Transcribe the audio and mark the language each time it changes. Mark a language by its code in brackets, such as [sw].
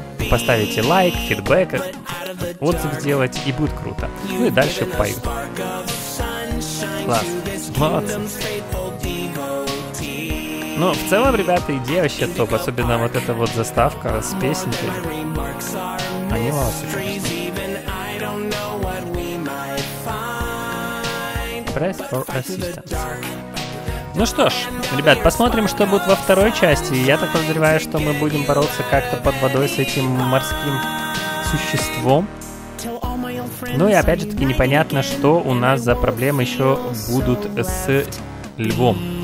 [ru] Поставите лайк, фидбэк, отзыв сделать, и будет круто. Ну и дальше поют. Класс. Молодцы. Ну, в целом, ребята, идея вообще топ. Особенно вот эта вот заставка с песенкой. Они молодцы. Конечно. [en] Press for assistance. [ru] Ну что ж, ребят, посмотрим, что будет во второй части. Я так подозреваю, что мы будем бороться как-то под водой с этим морским существом. Ну и опять же таки непонятно, что у нас за проблемы еще будут с львом.